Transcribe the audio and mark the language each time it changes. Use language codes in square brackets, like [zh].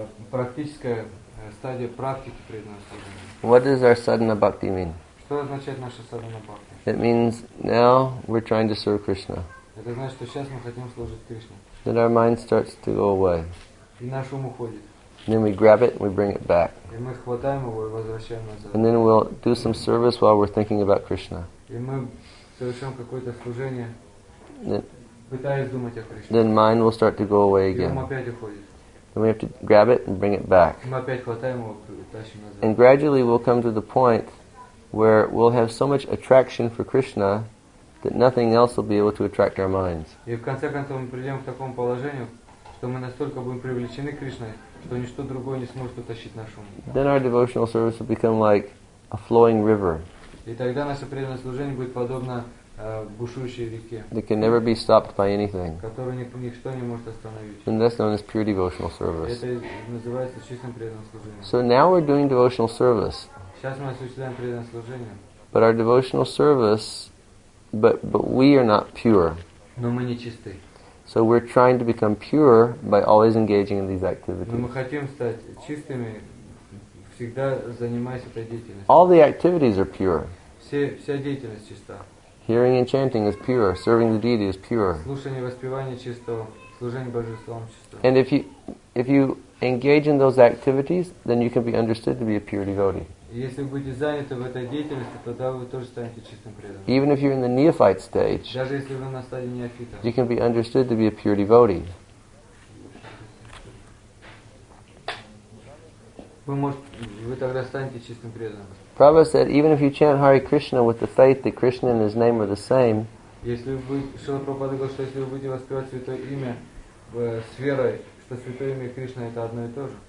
[ru] Практическая стадия практики преданного служения. [en] What does our sadhana bhakti mean? [ru] Что означает наша sadhana bhakti? [en] It means now we're trying to serve Krishna. [ru] Это значит, что сейчас мы хотим служить Кришне. [en] Then our mind starts to go away. [ru] И наш ум уходит. [en] Then we grab it and we bring it back. [ru] И мы хватаем его и возвращаем назад. [en] And then we'll do some service while we're thinking about Krishna. [ru] И мы совершаем какое-то служение, пытаясь думать о Кришне. [en] Then mind will start to go away again. [ru] И ум опять уходит. [en] Then we have to grab it and bring it back. [ru] И мы опять хватаем его и тащим назад. [en] And gradually we'll come to the point where we'll have so much attraction for Krishna that nothing else will be able to attract our minds. [ru] И в конце концов мы придем к такому положению, что мы настолько будем привлечены Кришной, что ничто другое не сможет утащить наш ум. [en] Then our devotional service will become like a flowing river. [ru] И тогда наше преданное служение будет подобно бушующей реке. [en] That can never be stopped by anything. [ru] Которую ничто не может остановить. [en] And that's known as pure devotional service. [ru] Это называется чистым преданным служением. [en] So now we're doing devotional service. [ru] Сейчас мы осуществляем преданное служение. [en] But our devotional service But we are not pure. [ru] Но мы не чисты. [en] So we're trying to become pure by always engaging in these activities. [ru] Но мы хотим стать чистыми, всегда занимаясь этой деятельностью. [en] All the activities are pure. [ru] Вся деятельность чиста. [en] Hearing and chanting is pure. Serving the deity is pure. [ru] Слушание и воспевание чисто. Служение божествам чисто. [en] And if you engage in those activities, then you can be understood to be a pure devotee. [ru] Если вы будете заняты в этой деятельности, тогда вы тоже станете чистым преданным. [en] Even if you're in the neophyte stage, [ru] даже если вы на стадии неофита, [en] you can be understood to be a pure devotee. [ru] Вы тогда станете чистым преданным. [en] Prabhupada said, even if you chant Hare Krishna with the faith that Krishna and His name are the same, [ru] если вы Шрила Прабхупада говорит, что если вы будете воспевать Святое Имя с верой, что Святое Имя и Кришна это одно и то же,